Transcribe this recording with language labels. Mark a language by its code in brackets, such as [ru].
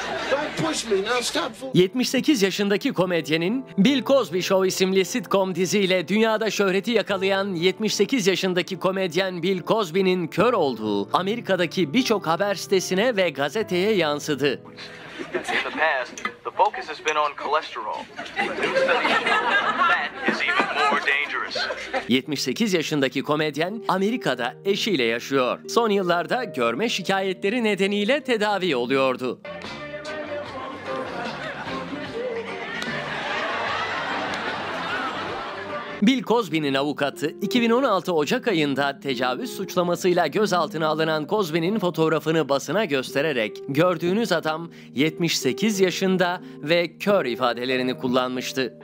[en] Don't push me. [tr] 78 yaşındaki komedyenin Bill Cosby Show isimli sitcom diziyle dünyada şöhreti yakalayan 78 yaşındaki komedyen Bill Cosby'nin kör olduğu Amerika'daki birçok haber sitesine ve gazeteye yansıdı. [en] In the past, the focus has been on cholesterol. New study that is even more dangerous. [tr] 78 yaşındaki komedyen Amerika'da eşiyle yaşıyor. Son yıllarda görme şikayetleri nedeniyle tedavi oluyordu. Bill Cosby'nin avukatı 2016 Ocak ayında tecavüz suçlamasıyla gözaltına alınan Cosby'nin fotoğrafını basına göstererek "Gördüğünüz adam 78 yaşında ve kör" ifadelerini kullanmıştı.